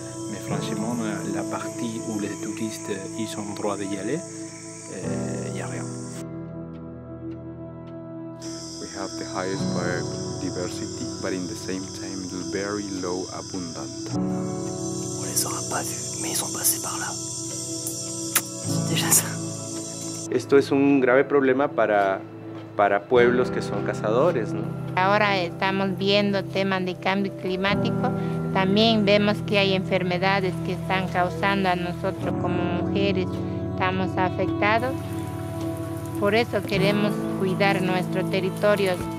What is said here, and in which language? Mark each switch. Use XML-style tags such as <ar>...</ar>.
<fr>Mais franchement, la partie où les touristes ils ont droit d'y aller, y a rien.</fr> <en>We have the highest biodiversity, but in the same time, the very low abundance.</en> <fr>On les aura pas vus, mais ils sont passés par là. Déjà ça.</fr> <es>Esto es un grave problema para pueblos que son cazadores, ¿no? Ahora estamos viendo temas de cambio climático. También vemos que hay enfermedades que están causando a nosotros como mujeres. Estamos afectados. Por eso queremos cuidar nuestro territorio.</es>